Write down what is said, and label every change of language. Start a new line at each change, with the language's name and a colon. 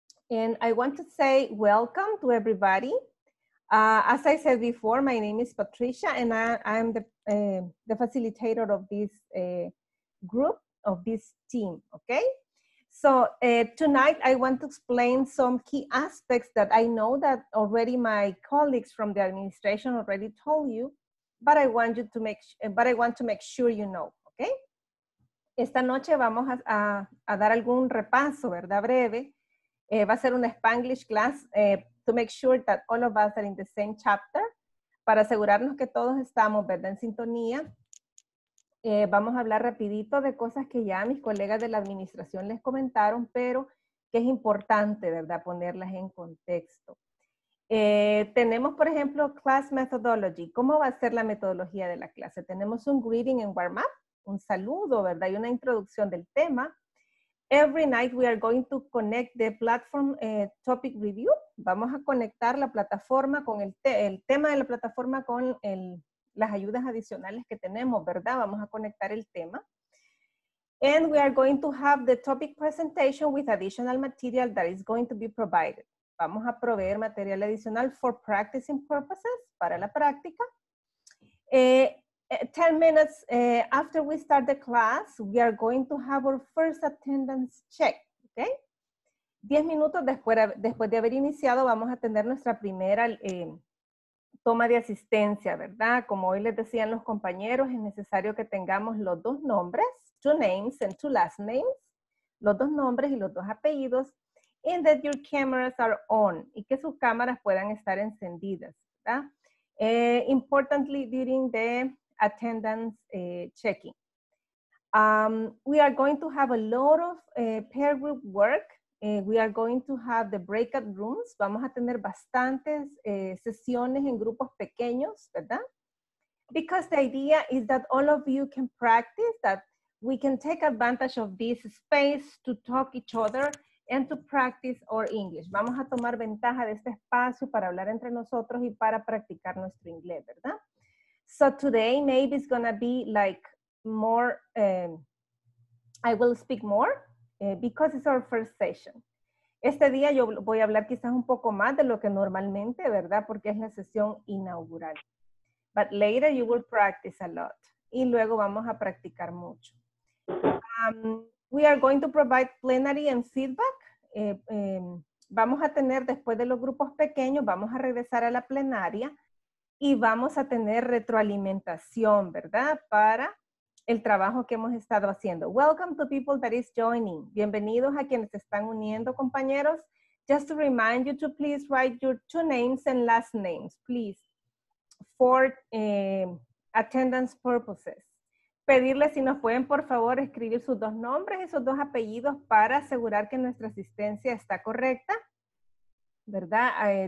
English: And I want to say welcome to everybody. As I said before, my name is Patricia and I'm the facilitator of this group, of this team, okay? So tonight I want to explain some key aspects that I know that already my colleagues from the administration already told you, but I want you to make, but I want to make sure you know, okay?
Spanish: Esta noche vamos a dar algún repaso, ¿verdad? Breve. Va a ser una Spanglish class,
English: to make sure that all of us are in the same chapter,
Spanish: para asegurarnos que todos estamos, ¿verdad?, en sintonía Vamos a hablar rapidito de cosas que ya mis colegas de la administración les comentaron, pero que es importante, ¿verdad?, ponerlas en contexto. Tenemos, por ejemplo, class methodology. ¿Cómo va a ser la metodología de la clase? Tenemos un
English: greeting and warm-up,
Spanish: un saludo, ¿verdad?, y una introducción del tema.
English: Every night we are going to connect the platform topic review.
Spanish: Vamos a conectar la plataforma con el tema de la plataforma con las ayudas adicionales que tenemos, ¿verdad? Vamos a conectar el tema.
English: And we are going to have the topic presentation with additional material that is going to be provided.
Spanish: Vamos a proveer material adicional
English: for practicing purposes,
Spanish: para la práctica.
English: 10 minutes after we start the class, we are going to have our first attendance check, okay?
Spanish: 10 minutos después de haber iniciado, vamos a tener nuestra primera toma de asistencia, ¿verdad? Como hoy les decían los compañeros, es necesario que tengamos los dos nombres,
English: two names and two last names,
Spanish: los dos nombres y los dos apellidos,
English: and that your cameras are on,
Spanish: y que sus cámaras puedan estar encendidas, ¿verdad?
English: Importantly, during the attendance checking. We are going to have a lot of peer group work. We are going to have the breakout rooms.
Spanish: Vamos a tener bastantes sesiones en grupos pequeños, ¿verdad?
English: Because the idea is that all of you can practice, that we can take advantage of this space to talk each other and to practice our English.
Spanish: Vamos a tomar ventaja de este espacio para hablar entre nosotros y para practicar nuestro inglés, ¿verdad?
English: So today maybe it's gonna be like more, I will speak more because it's our first session.
Spanish: Este día yo voy a hablar quizás un poco más de lo que normalmente, ¿verdad? Porque es la sesión inaugural.
English: But later you will practice a lot.
Spanish: Y luego vamos a practicar mucho.
English: We are going to provide plenary and feedback.
Spanish: Vamos a tener después de los grupos pequeños, vamos a regresar a la plenaria. Y vamos a tener retroalimentación, ¿verdad? Para el trabajo que hemos estado haciendo.
English: Welcome to people that is joining.
Spanish: Bienvenidos a quienes se están uniendo, compañeros.
English: Just to remind you to please write your two names and last names, please. For attendance purposes.
Spanish: Pedirles si nos pueden, por favor, escribir sus dos nombres y sus dos apellidos para asegurar que nuestra asistencia está correcta, ¿verdad?